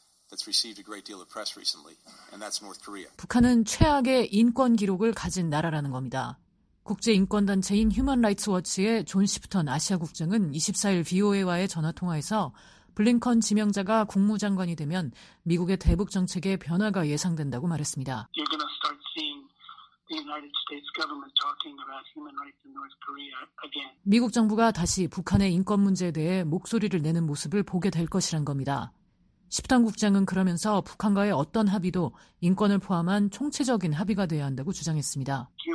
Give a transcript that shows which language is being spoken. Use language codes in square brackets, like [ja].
[en] That's received a great deal of press recently, and that's North Korea. [ko] 북한은 최악의 인권 기록을 가진 나라라는 겁니다. 국제 인권 단체인 휴먼 라이츠 워치의 존 시프턴 아시아 국장은 24일 VOA와의 전화 통화에서 블링컨 지명자가 국무장관이 되면 미국의 대북 정책에 변화가 예상된다고 말했습니다. [en] You're going to start seeing the United States government talking about human rights in North Korea again. [ko] 미국 정부가 다시 북한의 인권 문제에 대해 목소리를 내는 모습을 보게 될 것이란 겁니다. 시프턴 국장은 그러면서 북한과의 어떤 합의도 인권을 포함한 총체적인 합의가 되어야 한다고 주장했습니다.